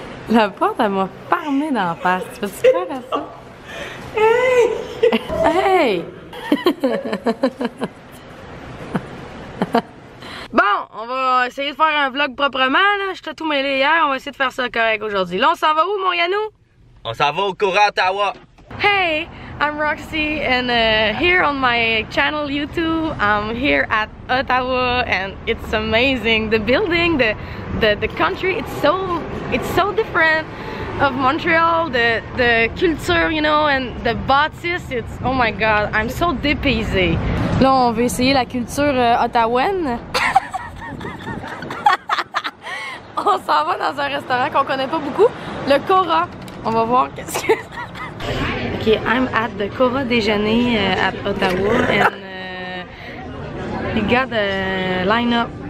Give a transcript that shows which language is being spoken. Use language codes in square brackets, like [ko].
[fr] La porte, elle m'a fermé d'en face. Tu peux-tu faire à ça? Hey! Hey! Bon, on va essayer de faire un vlog proprement. Là. Je t'ai tout mêlé hier. On va essayer de faire ça correct aujourd'hui. Là, on s'en va où, mon Yannou? On s'en va au courant Ottawa. Hey! [en] I'm Roxy, and here on my channel YouTube, I'm here at Ottawa, and it's amazing. The building, the country, it's so different of Montreal. The culture, you know, and the bâtisse, it's oh my god, I'm so dépaysé. [fr] Là, on veut essayer la culture ottawaine. On s'en va dans un restaurant qu'on connaît pas beaucoup, le Cora. On va voir qu'est-ce que. [en] Okay, I'm at the Cora Déjeuner at Ottawa, and we got a lineup.